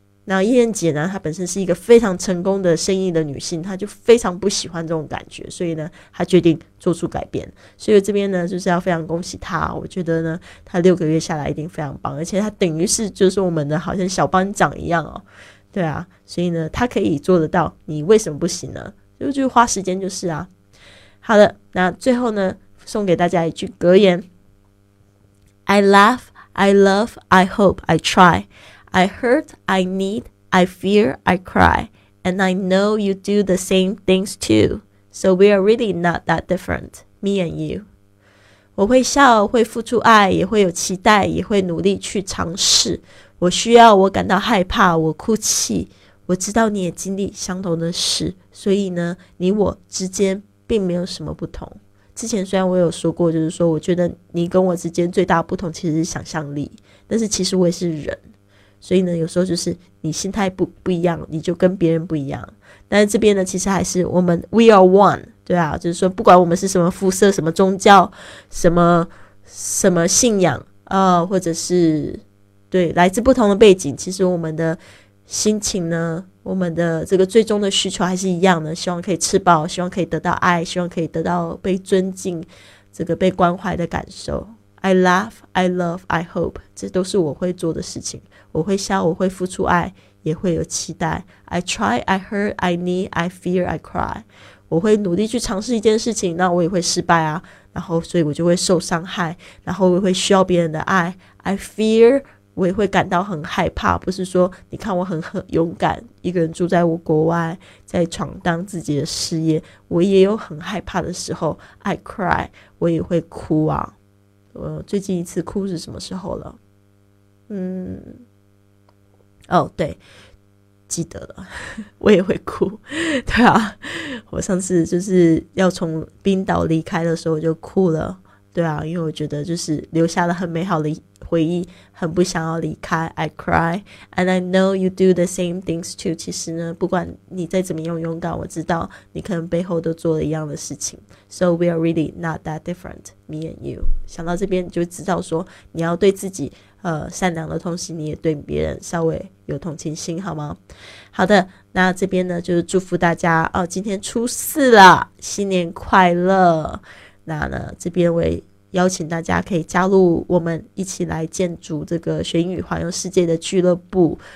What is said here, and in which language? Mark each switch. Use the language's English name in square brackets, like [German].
[Chinese] 那燕燕姐呢，她本身是一个非常成功的生意的女性，她就非常不喜欢这种感觉，所以呢她决定做出改变。所以这边呢就是要非常恭喜她，我觉得呢她六个月下来一定非常棒，而且她等于是就是我们的好像小班长一样哦。对啊，所以呢她可以做得到，你为什么不行呢？就花时间就是啊。好的，那最后呢送给大家一句格言， [English] I laugh, I love, I hope, I tryI hurt, I need, I fear, I cry. And I know you do the same things too. So we are really not that different, me and you. [Chinese] 我会笑，会付出爱，也会有期待，也会努力去尝试。我需要，我感到害怕，我哭泣。我知道你也经历相同的事，所以呢，你我之间并没有什么不同。之前虽然我有说过，就是说我觉得你跟我之间最大的不同其实是想象力，但是其实我也是人。所以呢有时候就是你心态 不一样，你就跟别人不一样。但是这边呢其实还是我们 [English] We are one， [Chinese] 对啊，就是说不管我们是什么肤色，什么宗教，什么信仰，或者是对来自不同的背景，其实我们的心情呢，我们的这个最终的需求还是一样的，希望可以吃饱，希望可以得到爱，希望可以得到被尊敬，这个被关怀的感受。 [English] I laugh, I love, I hope， [Chinese] 这都是我会做的事情。我会笑，我会付出爱，也会有期待。 [English] I try, I hurt, I need, I fear, I cry。 [Chinese] 我会努力去尝试一件事情，那我也会失败啊。然后，所以我就会受伤害，然后我会需要别人的爱。 [English] I fear， [Chinese] 我也会感到很害怕。不是说你看我很勇敢，一个人住在我国外，在闯荡自己的事业，我也有很害怕的时候。 [English] I cry， [Chinese] 我也会哭啊。我最近一次哭是什么时候了？嗯，哦，对，记得了，我也会哭，对啊，我上次就是要从冰岛离开的时候就哭了，对啊，因为我觉得就是留下了很美好的回忆，很不想要离开。 [English] I cry, and I know you do the same things too。 [Chinese] 其实呢，不管你再怎么样勇敢，我知道你可能背后都做了一样的事情。 [English] So we are really not that different, me and you。 [Chinese] 想到这边就知道说，你要对自己善良的同时，你也对别人稍微有同情心，好吗？好的，那这边呢就是祝福大家哦，今天初四了，新年快乐。那呢，这边为邀请大家可以加入我们一起来建筑这个学英语环游世界的俱乐部。